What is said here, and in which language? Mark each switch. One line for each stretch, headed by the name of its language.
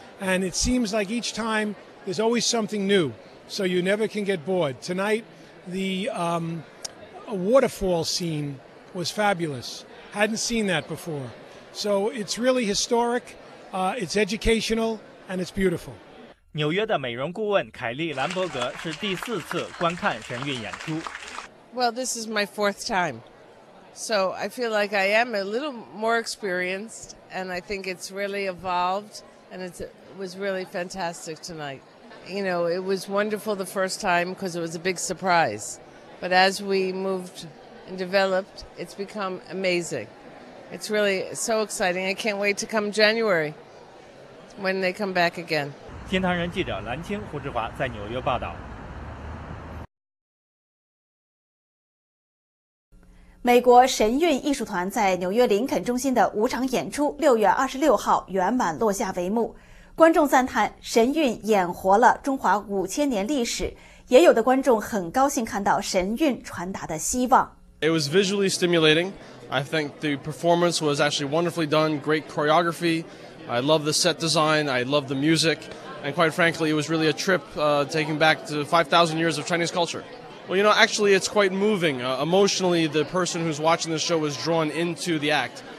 English: And it seems like each time there's always something new, so you never can get bored. Tonight, the waterfall scene was fabulous. Hadn't seen that before. So it's really historic, it's educational, and it's beautiful.
Chinese: 纽约的美容顾问凯莉·兰伯格是第四次观看神韵演出。
English: Well, this is my fourth time. So I feel like I am a little more experienced, and I think it's really evolved, and it was really fantastic tonight. You know, it was wonderful the first time because it was a big surprise. But as we moved and developed, it's become amazing. It's really so exciting. I can't wait to come January when they come back again.
Chinese: 新唐人记者蓝青、胡志华在纽约报道。美国神韵艺术团在纽约林肯中心的五场演出6月26号圆满落下帷幕，观众赞叹神韵演活了中华5000年历史，也有的观众很高兴看到神韵传达的希望。
English: It was visually stimulating. I think the performance was actually wonderfully done. Great choreography. I love the set design. I love the music. And quite frankly, it was really a trip taking back to 5,000 years of Chinese culture. Well, you know, actually, it's quite moving. Emotionally, the person who's watching the show was drawn into the act.